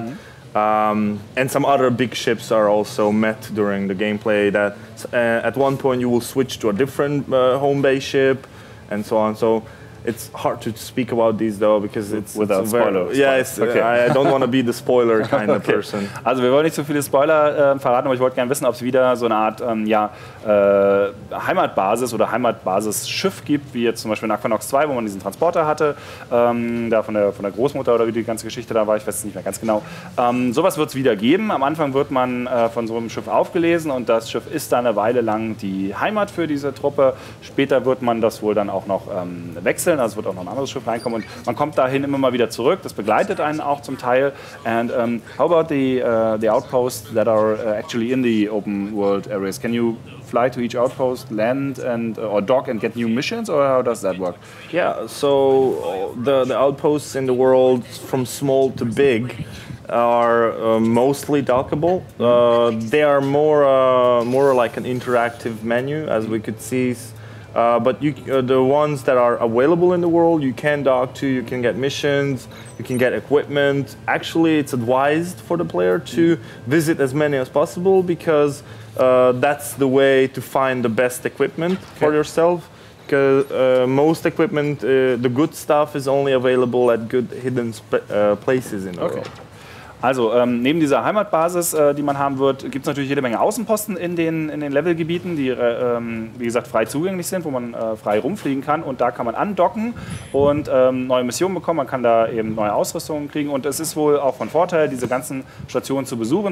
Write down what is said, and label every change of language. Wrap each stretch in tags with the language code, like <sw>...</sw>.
<en>Mm-hmm. And some other big ships are also met during the gameplay. That at one point, you will switch to a different home base ship and so on. So it's hard to speak about these though, because it's without spoilers. Yes, okay. I don't want to be the spoiler kind of person.</en> <de>Also wir wollen nicht so viele Spoiler verraten, aber ich wollte gerne wissen, ob es wieder so eine Art Heimatbasis oder Heimatbasis-Schiff gibt, wie jetzt zum Beispiel in Aquanox 2, wo man diesen Transporter hatte, da von der Großmutter oder wie die ganze Geschichte da war, ich weiß es nicht mehr ganz genau. Sowas wird es wieder geben. Am Anfang wird man von so einem Schiff aufgelesen und das Schiff ist dann eine Weile lang die Heimat für diese Truppe. Später wird man das wohl dann auch noch wechseln. Also es wird auch noch ein anderes Schiff reinkommen und man kommt dahin immer mal wieder zurück. Das begleitet einen auch zum Teil.</de> <en>And how about the outposts that are actually in the open world areas? Can you fly to each outpost, land and or dock and get new missions, or how does that work? Yeah, so the outposts in the world, from small to big, are mostly dockable. They are more like an interactive menu, as we could see. But you, the ones that are available in the world, you can dock to, you can get missions, you can get equipment. Actually, it's advised for the player to visit as many as possible, because that's the way to find the best equipment for yourself. Because most equipment, the good stuff, is only available at good hidden places in the world.</en> <de>Also neben dieser Heimatbasis, die man haben wird, gibt es natürlich jede Menge Außenposten in den Levelgebieten, die wie gesagt frei zugänglich sind, wo man frei rumfliegen kann und da kann man andocken und neue Missionen bekommen, man kann da eben neue Ausrüstungen kriegen und es ist wohl auch von Vorteil, diese ganzen Stationen zu besuchen.</de>